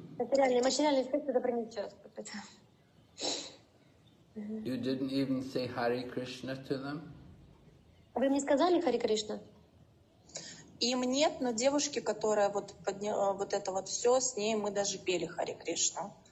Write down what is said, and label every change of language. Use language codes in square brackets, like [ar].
[ru] Материальный, материальный эффект это принесет какой-то. [en] You didn't even say Hare Krishna to them? [ru] Вы мне сказали Hare Krishna? Им нет, но девушке, которая вот подняла вот это вот все, с ней мы даже пели Hare Krishna.